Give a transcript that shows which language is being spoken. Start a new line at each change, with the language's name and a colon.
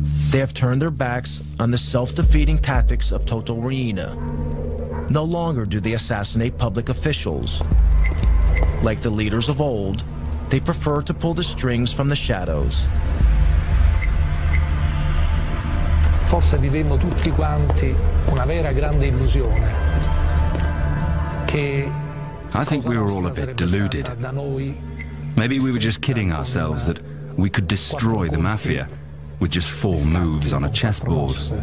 English: They have turned their backs on the self-defeating tactics of Toto Riina. No longer do they assassinate public officials. Like the leaders of old, they prefer to pull the strings from the shadows.
Italian: Forse vivemmo tutti quanti una vera grande illusione che
English: I think we were all a bit deluded. Maybe we were just kidding ourselves that we could destroy the Mafia with just four moves on a chessboard.